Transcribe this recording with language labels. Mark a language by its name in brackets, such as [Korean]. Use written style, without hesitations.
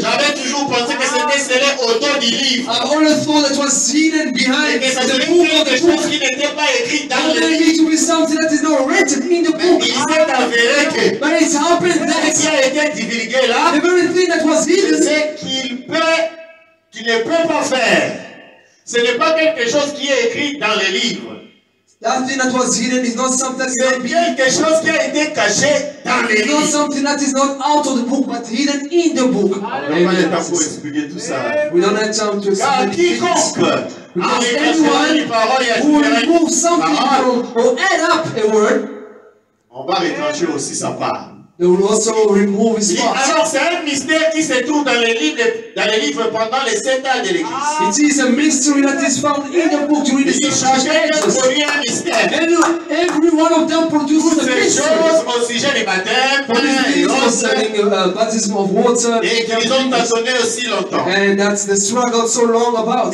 [French] J'avais toujours pensé que c'était scellé autour du livre. [English] I always thought it was hidden behind the book of the book. [French] Qui n'était pas écrit dans le livre. [English] It will be something that is not written in the book. [French] Mais il s'est avéré que. [English] But it's happened that. [French] Qui a été divulgué là. [English] The very thing that was hidden. [French] C'est qu'il ne peut pas faire. Ce n'est pas quelque chose qui est écrit dans le livre. [English] That thing that was hidden is not something that is not [French] quelque chose qui a été caché dans les livres. [English] Something that is not out of the book but hidden in the book. We don't have time to explain it. Because anyone who removes something from or add up a word, [French] on va rétrancher aussi sa part. [English] They will also remove his part. [French] Alors c'est un mystère qui se trouve dans les livres pendant les sept ans de l'Église. [English] It is a mystery that is found in the book during the church ages. Every one of them produces a mystery. [French] Au sujet des baptêmes, [English] de concerning baptism of water, [French] et qu'ils ont tâtonné aussi longtemps. [English] And that's the struggle so long about.